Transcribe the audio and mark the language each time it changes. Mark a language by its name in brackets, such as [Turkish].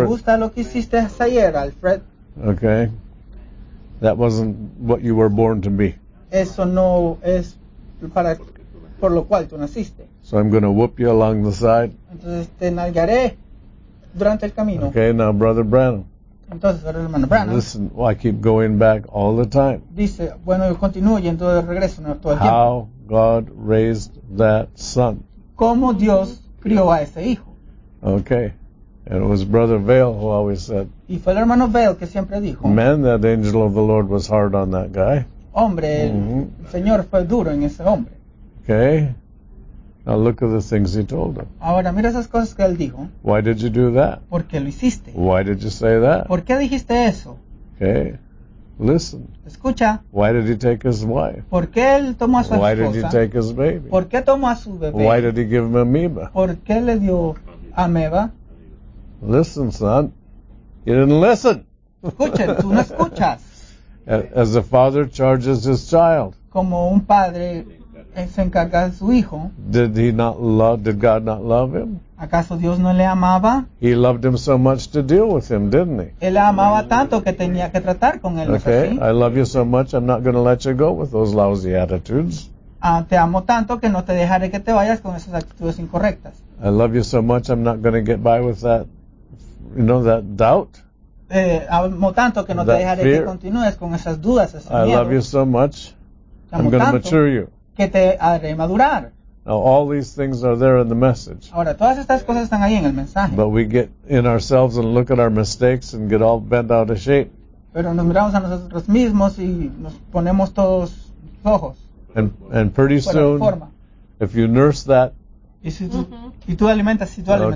[Spanish] No me gusta lo que hiciste ayer, Alfred. [English] Okay. That wasn't what you were born to be. [Spanish] Eso no es para, por lo cual tú naciste. [English] So I'm going to whoop you along the side. [Spanish] Entonces te nalgaré durante el camino. [English] Okay, now Brother Branham. [Spanish] Entonces, hermano Branham, [English] listen, well, I keep going back all the time. [Spanish] Dice, bueno, yo continúo yendo de regreso, no, todo el [English] how [Spanish] tiempo. [English] God raised that son. [Spanish] ¿Cómo Dios crió a ese hijo? [English] Okay. And it was Brother Vail who always said, [Spanish] Y fue el hermano Bell que siempre dijo, [English] man, that angel of the Lord was hard on that guy. [Spanish] Hombre, mm-hmm. El Señor fue duro en ese hombre. [English] Okay. Now look at the things he told him. [Spanish] Ahora, mira esas cosas que él dijo. [English] Why did you do that? [Spanish] ¿Por qué lo hiciste? [English] Why did you say that? [Spanish] ¿Por qué dijiste eso? [English] Okay. Listen. [Spanish] Escucha. [English] Why did he take his wife? [Spanish] ¿Por qué él tomó a su esposa? [English] Why did he take his baby? [Spanish] ¿Por qué tomó a su bebé? [English] Why did he give him amoeba? [Spanish] ¿Por qué le dio ameba? [English] Listen, son. You didn't listen. [Spanish] Escuchen, tú no escuchas. [English] As a father charges his child. [Spanish] Como un padre se encarga de su hijo. [English] Did he not love? Did God not love him? [Spanish] ¿Acaso Dios no le amaba? [English] He loved him so much to deal with him, didn't he? [Spanish] Él le amaba tanto que tenía que tratar con él. [English] Okay, [Spanish] ¿no es así? [English] I love you so much. I'm not going to let you go with those lousy attitudes. [Spanish] Te amo tanto que no te dejaré que te vayas con esas actitudes incorrectas. [English] I love you so much. I'm not going to get by with that. You know that doubt. [Spanish] Amo tanto que no te dejaré [English] fear. [Spanish] Que continúes con esas dudas, ese [English] I [Spanish] miedo. [English] Love you so much. [Spanish] Amo [English] I'm going to mature you. [Spanish] Que te haré madurar. [English] Now all these things are there in the message. [Spanish] Ahora todas estas cosas están ahí en el mensaje. [English] But we get in ourselves and look at our mistakes and get all bent out of shape. [Spanish] Pero nos miramos a nosotros mismos y nos ponemos todos ojos. [English] And pretty soon, if you nurse that. [Spanish] Y si tú, mm-hmm. y tú alimentas, si tú alimentas